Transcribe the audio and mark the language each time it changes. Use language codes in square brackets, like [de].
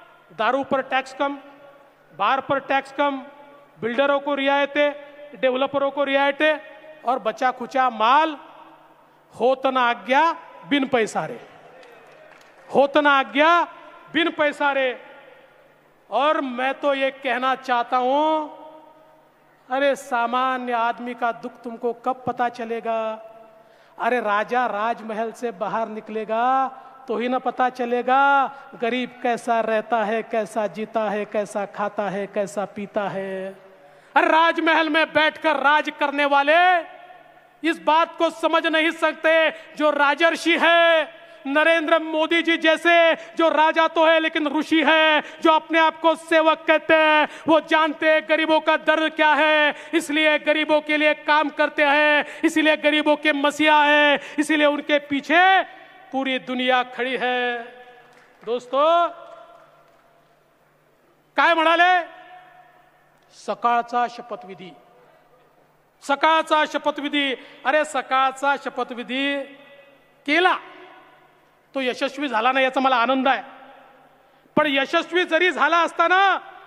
[hi] दारू पर टॅक्स कम, बार पर टॅक्स कम, बिल्डरों को रियायते, डेव्हलपरों को रियायते और बचा खुचा माल. होतना आज्ञा बिन पैसा रे, होतना आज्ञा बिन पैसा रे. और मैं तो ये कहना चाहता हूं, अरे सामान्य आदमी का दुख तुमको कब पता चलेगा? अरे राजा राजमहल से बाहर निकलेगा तो ही ना पता चलेगा गरीब कैसा रहता है, कैसा जीता है, कैसा खाता है, कैसा पीता है. अरे राजमहल में बैठकर राज करने वाले इस बात को समझ नहीं सकते जो राजर्षि है. नरेंद्र मोदी जी जैसे जो राजा तो है लेकिन ऋषि है, जो अपने आप को सेवक कहते हैं, वो जानते हैं गरीबों का दर्द क्या है, इसलिए गरीबों के लिए काम करते हैं, इसलिए गरीबों के मसीहा है, इसलिए उनके पीछे पूरी दुनिया खड़ी है. [mr] दोस्तों काय म्हणाले, सकाळचा शपथविधी, सकाळचा शपथविधी. अरे सकाळचा शपथविधी केला तो यशस्वी झाला नाही याचा मला आनंद आहे, पण यशस्वी जरी झाला असताना